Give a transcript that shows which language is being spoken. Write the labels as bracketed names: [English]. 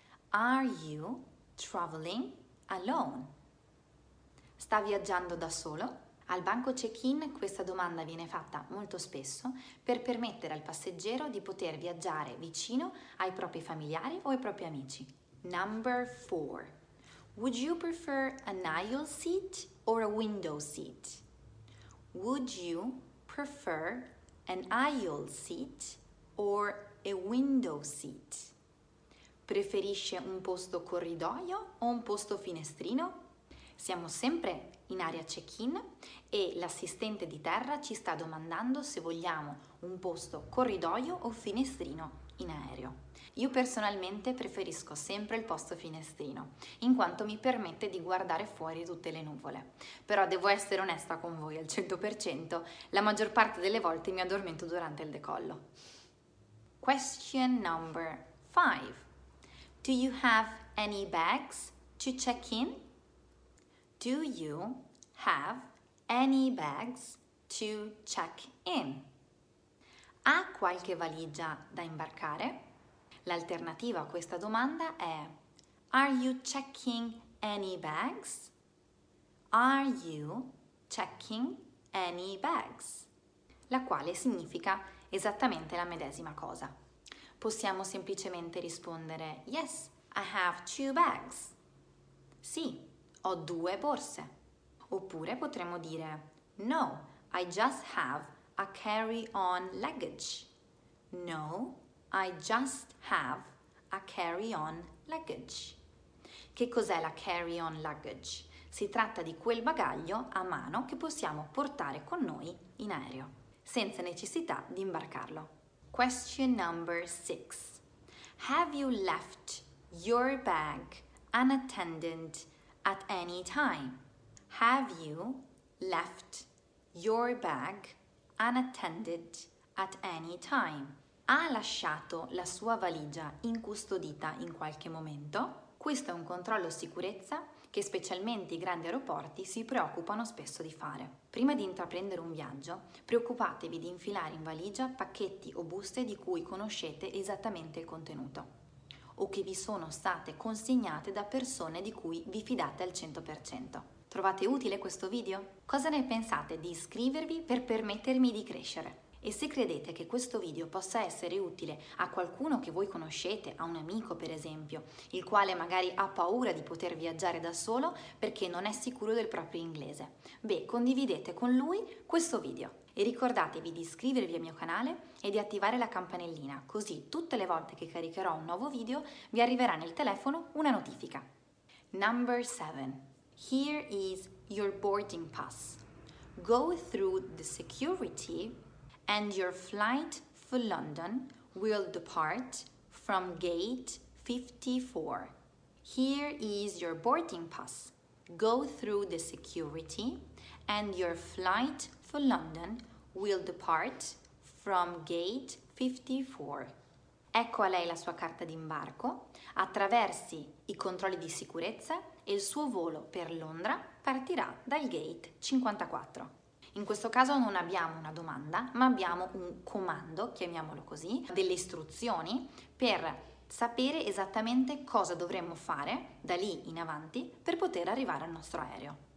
[English] Are you traveling alone? [Italian] Sta viaggiando da solo? Al banco check-in questa domanda viene fatta molto spesso per permettere al passeggero di poter viaggiare vicino ai propri familiari o ai propri amici. [English] Number four. Would you prefer an aisle seat or a window seat? Would you prefer an aisle seat or a window seat? [Italian] Preferisce un posto corridoio o un posto finestrino? Siamo sempre in area check-in e l'assistente di terra ci sta domandando se vogliamo un posto corridoio o finestrino in aereo. Io personalmente preferisco sempre il posto finestrino, in quanto mi permette di guardare fuori tutte le nuvole. Però devo essere onesta con voi al 100%, la maggior parte delle volte mi addormento durante il decollo. [English] Question number 5. Do you have any bags to check in? Do you have any bags to check in? [Italian] Ha qualche valigia da imbarcare? L'alternativa a questa domanda è [English] Are you checking any bags? Are you checking any bags? [Italian] La quale significa esattamente la medesima cosa. Possiamo semplicemente rispondere [English] Yes, I have two bags. [Italian] Sì, ho due borse. Oppure potremmo dire [English] No, I just have a carry-on luggage. No, I just have a carry-on luggage. [Italian] Che cos'è la carry-on luggage? Si tratta di quel bagaglio a mano che possiamo portare con noi in aereo, senza necessità di imbarcarlo. [English] Question number 6. Have you left your bag unattended at any time? Have you left your bag unattended at any time? [Italian] Ha lasciato la sua valigia incustodita in qualche momento? Questo è un controllo sicurezza che specialmente i grandi aeroporti si preoccupano spesso di fare. Prima di intraprendere un viaggio, preoccupatevi di infilare in valigia pacchetti o buste di cui conoscete esattamente il contenuto o che vi sono state consegnate da persone di cui vi fidate al 100%. Trovate utile questo video? Cosa ne pensate di iscrivervi per permettermi di crescere? E se credete che questo video possa essere utile a qualcuno che voi conoscete, a un amico per esempio, il quale magari ha paura di poter viaggiare da solo perché non è sicuro del proprio inglese, beh, condividete con lui questo video. E ricordatevi di iscrivervi al mio canale e di attivare la campanellina, così tutte le volte che caricherò un nuovo video vi arriverà nel telefono una notifica. [English] Number 7. Here is your boarding pass. Go through the security and your flight for London will depart from gate 54. Here is your boarding pass. Go through the security and your flight for London will depart from gate 54. [Italian] Ecco a lei la sua carta d'imbarco, attraversi i controlli di sicurezza e il suo volo per Londra partirà dal gate 54. In questo caso non abbiamo una domanda, ma abbiamo un comando, chiamiamolo così, delle istruzioni per sapere esattamente cosa dovremmo fare da lì in avanti per poter arrivare al nostro aereo.